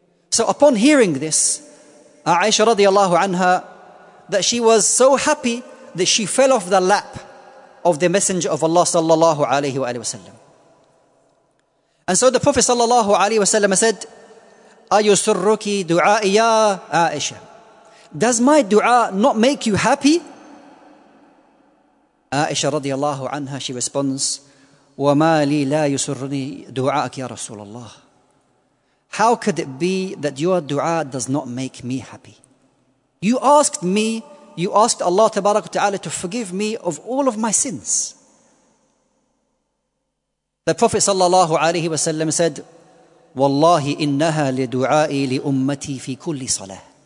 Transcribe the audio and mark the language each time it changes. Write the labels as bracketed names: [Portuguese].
[English] So upon hearing this, Aisha radiallahu anha, that she was so happy that she fell off the lap of the Messenger of Allah sallallahu alayhi wa sallam. And so the Prophet sallallahu alayhi wa sallam said, [Arabic] أَيُسُرُّكِ دُعَاءِ يَا عَائِشَةَ. [English] Does my dua not make you happy? [Arabic] Aisha radiallahu anha, [English] she responds, [Arabic] وَمَا لِي لَا يُسُرُّنِي دُعَاءَكِ يَا رَسُولَ اللَّهِ. [English] How could it be that your dua does not make me happy? You asked me, you asked Allah tabarak wa ta'ala to forgive me of all of my sins. The Prophet sallallahu alayhi wa sallam said, [Arabic] وَاللَّهِ إِنَّهَا لِدُعَاءِ لِأُمَّتِي فِي كُلِّ صَلَاةِ.